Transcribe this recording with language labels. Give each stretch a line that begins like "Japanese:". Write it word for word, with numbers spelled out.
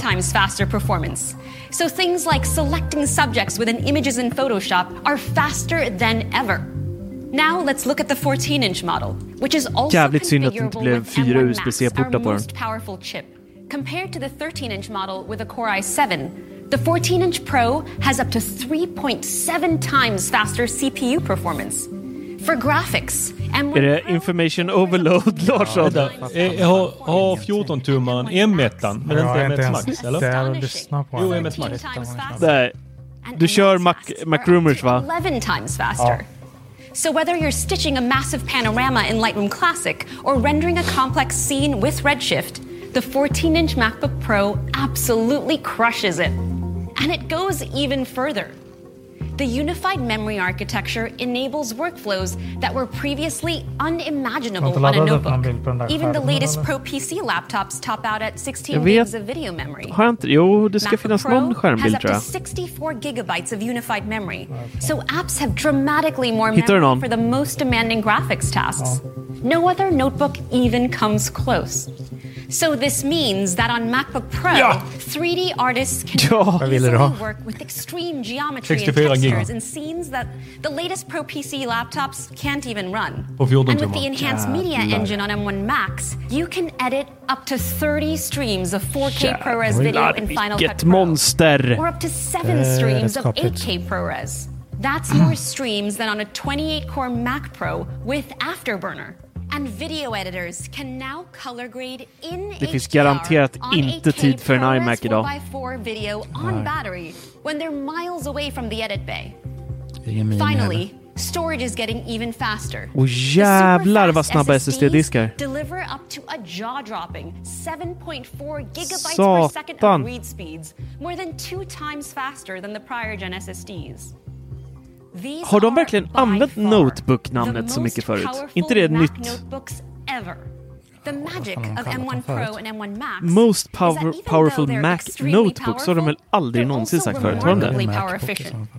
English: Five times faster performance. So things like selecting subjects within images in Photoshop are faster than ever. Now let's look at the fourteen-inch model, which is also
Swedish: Jävligt synd att det inte blev fyra U S B C-portar på den.
English: Compared to the thirteen-inch model with a Core i seven, the fourteen-inch Pro has up to three point seven times faster C P U performance. For graphics, and
Swedish: är det information overload, Larsson? Ja, har har fjorton-tummaren M one, men inte M one Max, eller? Det är du snabb på. Jo, M one Max. Nej. Du kör MacRumors, va?
English: eleven times faster. So whether you're stitching a massive panorama in Lightroom Classic or rendering a complex scene with Redshift, the fourteen-inch MacBook Pro absolutely crushes it. And it goes even further. The unified memory architecture enables workflows that were previously unimaginable on a notebook. Even the latest Pro P C laptops top out at sixteen gigs of video memory.
Swedish: Har inte, jo, det ska finnas någon skärmbild, tror jag.
English: sixty-four gigabytes of unified memory. So apps have dramatically more memory for the most demanding graphics tasks. No other notebook even comes close. So this means that on MacBook Pro, ja. three D artists can
Swedish: ja.
English: easily work with extreme geometry and textures in scenes that the latest Pro P C laptops can't even run. And with the enhanced media engine on M one Max, you can edit up to thirty streams of four K ja. ProRes video in Final Cut Pro. Monster. Or up to seven streams of eight K ProRes. That's more streams than on a twenty-eight core Mac Pro with Afterburner. And video editors can now color grade in
Swedish: det finns garanterat inte tid för en iMac idag.
English: Video on battery when they're miles away from the edit bay. Finally, storage is getting even faster.
Swedish: Och jävlar vad snabba S S D-diskar.
English: Deliver up to a jaw-dropping seven point four gigabytes per second of read speeds, more than two times faster than the prior gen S S Ds.
Swedish: Har de verkligen använt Notebook-namnet så mycket förut? Inte det är nytt?
English: The magic of M one Pro and M one Max.
Swedish: Most power, powerful Mac notebooks har de väl aldrig någonsin sagt förut, har de det?